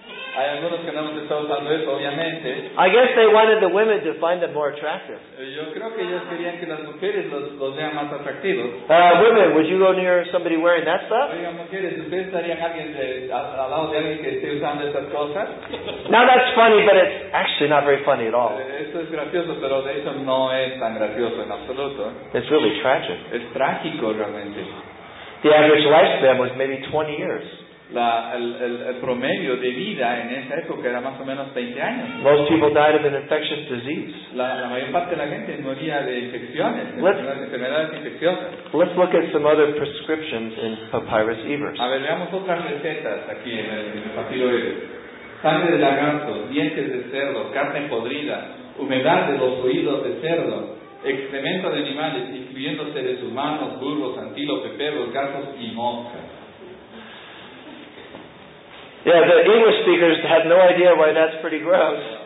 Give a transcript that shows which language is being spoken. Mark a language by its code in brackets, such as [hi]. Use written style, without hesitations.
[es] Hay algunos que no hemos estado usando eso, obviamente. [en] I guess they wanted the women to find them more attractive. [es] Yo creo que ellos querían que las mujeres los vean más atractivos. [en] Women, would you go near somebody wearing that stuff? [es] Oigan, mujeres, ¿ustedes estarían al lado de alguien que esté usando esas cosas? [en] Now that's funny, but it's actually not very funny at all. [es] Eso es gracioso, pero de hecho no es tan gracioso en absoluto. [en] It's really tragic. [es] Es trágico realmente. [en] The average lifespan was maybe 20 years. [es] El promedio de vida en esa época era más o menos 20 años. [en] Most people died of an infectious disease. [es] La mayor parte de la gente moría de infecciones, enfermedades infecciosas. [en] Let's look at some other prescriptions in Papyrus Ebers. [es] A ver, veamos otras recetas aquí en el papiro Ebers. Sangre de lagarto, dientes de cerdo, carne podrida, humedad de los oídos de cerdo, excremento de animales, incluyendo seres humanos, burros, antílopes, perros, gatos y moscas. [en] Yeah, the English speakers have no idea why that's pretty gross.